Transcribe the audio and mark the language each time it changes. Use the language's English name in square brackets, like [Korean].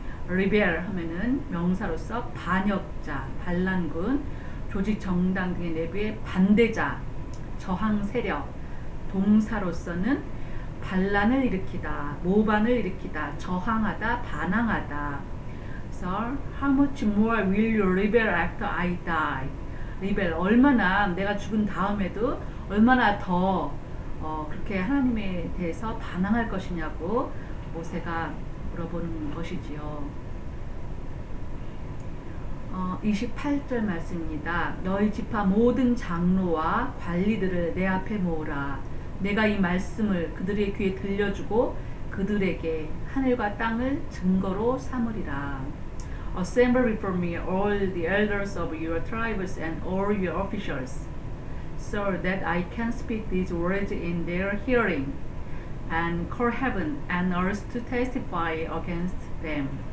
[Korean] Rebel 하면은 명사로서 반역자, 반란군, 조직 정당 등의 내부의 반대자, 저항 세력, 동사로서는 반란을 일으키다, 모반을 일으키다, 저항하다, 반항하다. [English] So, how much more will you rebel after I die? [Korean] Rebel, 얼마나 내가 죽은 다음에도 얼마나 더 그렇게 하나님에 대해서 반항할 것이냐고 모세가 물어보는 것이지요. 28절 말씀입니다. 너희 지파 모든 장로와 관리들을 내 앞에 모으라. 내가 이 말씀을 그들의 귀에 들려주고 그들에게 하늘과 땅을 증거로 삼으리라. [English] Assemble before me all the elders of your tribes and all your officials, so that I can speak these words in their hearing, and call heaven and earth to testify against them.